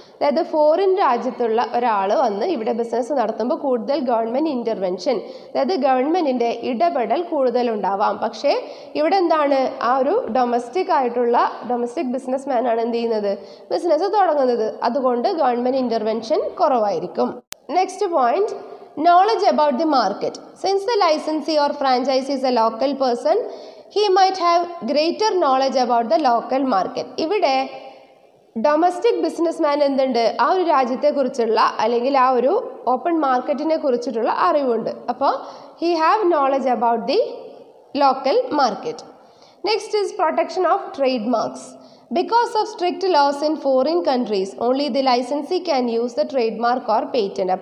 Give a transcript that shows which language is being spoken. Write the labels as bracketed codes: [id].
[ml] അതായത് ഫോറിൻ രാജ്യത്തുള്ള ഒരാൾ വന്ന് ഇവിടെ ബിസിനസ് നടത്തുമ്പോൾ കൂടുതൽ ഗവൺമെൻറ് ഇൻ്റർവെൻഷൻ, അതായത് ഗവൺമെൻറ്റിൻ്റെ ഇടപെടൽ കൂടുതലുണ്ടാവാം. പക്ഷേ ഇവിടെ എന്താണ്, ആ ഒരു ഡൊമസ്റ്റിക് ആയിട്ടുള്ള ഡൊമസ്റ്റിക് ബിസിനസ് മാനാണ് എന്ത് ചെയ്യുന്നത്, ബിസിനസ് തുടങ്ങുന്നത്. അതുകൊണ്ട് ഗവൺമെൻറ് ഇൻ്റർവെൻഷൻ കുറവായിരിക്കും. [en] Next point, knowledge about the market. Since the licensee or franchisee is a local person, he might have greater knowledge about the local market. [ml] ഇവിടെ ഡൊമസ്റ്റിക് ബിസിനസ്മാൻ എന്തുണ്ട്, ആ ഒരു രാജ്യത്തെക്കുറിച്ചുള്ള അല്ലെങ്കിൽ ആ ഒരു ഓപ്പൺ മാർക്കറ്റിനെ കുറിച്ചിട്ടുള്ള അറിവുണ്ട്. [en] അപ്പോൾ he have knowledge about the local market. Next is protection of trademarks. Because of strict laws in foreign countries, only the licensee can use the trademark or patent.